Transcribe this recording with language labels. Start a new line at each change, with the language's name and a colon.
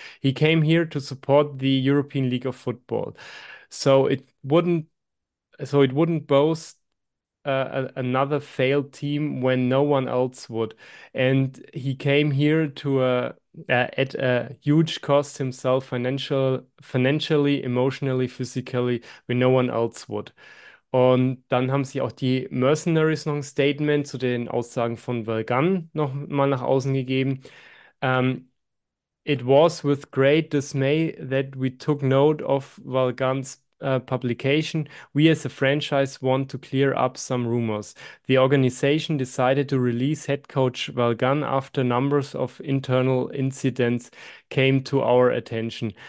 English: He came here to support the European League of Football, so it wouldn't boast another failed team when no one else would. And he came here to at a huge cost himself, financially, emotionally, physically, when no one else would.
German: Und dann haben sie auch die Mercenaries noch ein Statement zu den Aussagen von Vergan noch mal nach außen gegeben.
English: It was with great dismay that we took note of Valgans publication. We as a franchise want to clear up some rumors. The organization decided to release head coach Valgan after numbers of internal incidents came to our attention.